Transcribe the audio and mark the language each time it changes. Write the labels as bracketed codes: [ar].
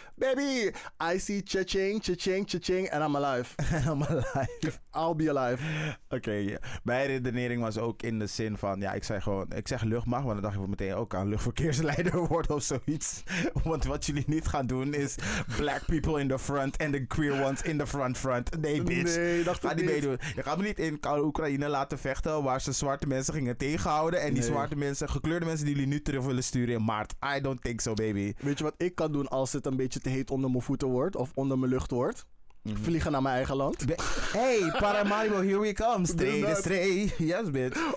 [en] Baby, I see cha-ching, cha-ching, cha-ching. And I'm alive. And I'm alive. I'll be alive. Oké. [nl] Mijn redenering was ook in de zin van... Ja, ik zeg luchtmacht. Want dan dacht ik meteen ook aan luchtverkeersleider worden of zoiets. Want wat jullie niet gaan doen is... [en] Black people in the front and the queer ones in the front. [nl] Nee, [en] baby. [nl] Nee, dacht ga ik niet. Meedoen. Je gaat me niet in Oekraïne laten vechten waar ze zwarte mensen gingen tegenhouden. En die zwarte mensen, gekleurde mensen die jullie nu terug willen sturen in maart. [en] I don't think so, baby. [nl] Weet je wat ik kan doen als het een beetje te heet onder mijn voeten wordt of onder mijn lucht wordt? Vliegen naar mijn eigen land. [en] Hey, Paramaribo, here we come. Stay the stray. Yes, bitch.